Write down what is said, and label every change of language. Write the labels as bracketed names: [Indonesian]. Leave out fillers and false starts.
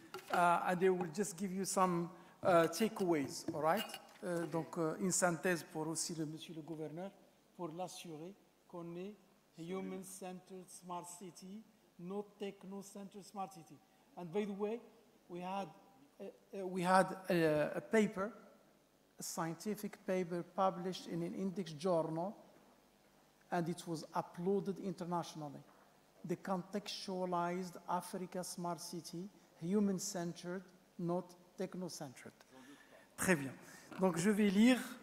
[English] And I will just give you some takeaways, all right? [French] Donc, une synthèse pour aussi le monsieur le gouverneur, pour l'assurer qu'on est [English] human-centered smart city, no techno-centered smart city. And by the way, we had a paper, a scientific paper published in an index journal, and it was uploaded internationally. They contextualized Africa smart city, human-centered, not techno-centered. [French] Très bien. Donc je vais lire.